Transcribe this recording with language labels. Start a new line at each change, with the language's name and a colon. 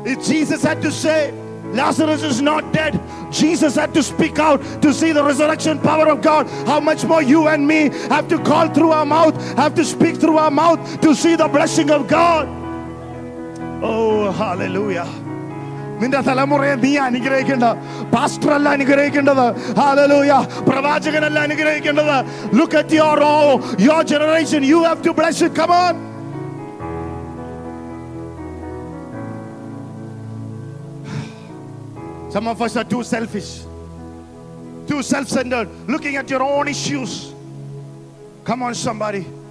English: If Jesus had to say Lazarus is not dead, Jesus had to speak out to see the resurrection power of God, how much more you and me have to call through our mouth, have to speak through our mouth to see the blessing of God. Oh, hallelujah.
Malayalam: നിന്റെ തലമുറയെ നീ അനുഗ്രഹിക്കേണ്ടത്, pastor അല്ല അനുഗ്രഹിക്കേണ്ടത്, hallelujah, പ്രവാചകനല്ല അനുഗ്രഹിക്കേണ്ടത്.
English: Look at your generation, you have to bless it. Come on. Some of us are too selfish, too self-centered, looking at your own issues. Come on, somebody.